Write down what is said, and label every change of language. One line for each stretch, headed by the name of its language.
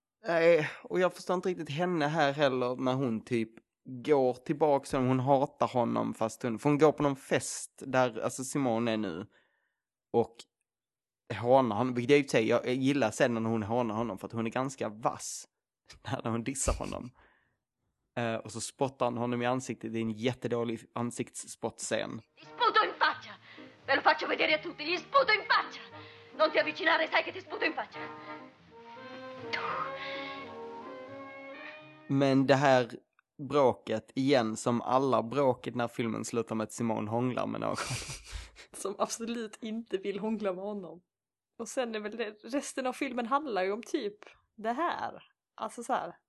Swedish: Nej, och jag förstår inte riktigt henne här heller när hon typ går tillbaka som hon hatar honom fast hon, för hon går på någon fest där alltså Simon är nu och hånar honom, vilket jag säger, jag gillar sen när hon hånar honom för att hon är ganska vass när hon dissar honom. Och så spottar han honom i ansiktet. Det är en jättedålig ansiktsspottscen.
Italian: Ti sputo in faccia. Ve lo faccio vedere a tutti. Ti sputo in faccia. Non ti avvicinare, sai che ti sputo in faccia.
Swedish: Men det här bråket igen, som alla bråk i den här filmen, slutar med att Simon hånglar med någon. Som absolut inte vill hångla med honom. Och sen är väl det, resten av filmen handlar ju om typ det här. Alltså så här.